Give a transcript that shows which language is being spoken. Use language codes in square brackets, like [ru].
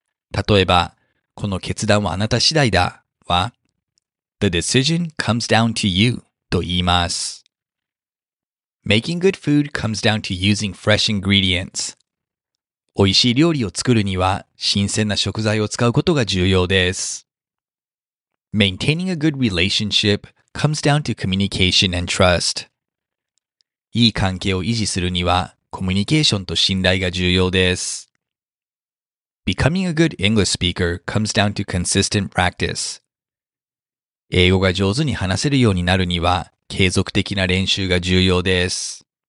[ja] 例えば、この決断はあなた次第だは、 the decision comes down to you と言います。 [en] Making good food comes down to using fresh ingredients. [ja] おいしい料理を作るには、新鮮な食材を使うことが重要です。 [en] Maintaining a good relationship comes down to communication and trust. [ja] いい関係を維持するには、コミュニケーションと信頼が重要です。 [en] Becoming a good English speaker comes down to consistent practice. [ja] 英語が上手に話せるようになるには、継続的な練習が重要です。